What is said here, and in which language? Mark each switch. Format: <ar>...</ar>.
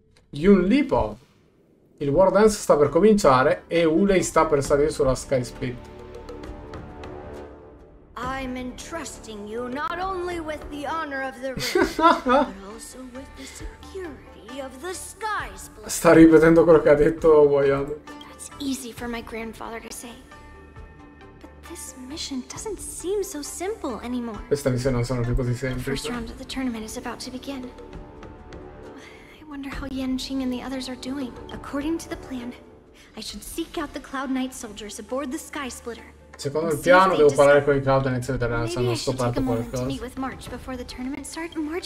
<it>Yun Lipo, il War Dance sta per cominciare e Hule sta per salire sulla Sky Split.</it> <en>I'm entrusting you not only with the honor of the ring, but also with the security of the Sky Split.</en> <it>Sta ripetendo quello che ha detto Wayan.</it> <en>That's easy for my grandfather to say. But this mission doesn't seem so simple anymore.</en> <it>Questa missione non sembra più così semplice.</it> <en>First round of the tournament is about to begin. I wonder how Yan Qing and the others are doing. According to the plan, I should seek out the Cloud Knight soldiers aboard the Sky Splitter.</en> <it>Secondo il piano, devo parlare con i Cloud Knights e vedere se hanno scoperto qualcosa.</it> <en>Maybe I should take a moment to meet with March before the tournament starts.</en>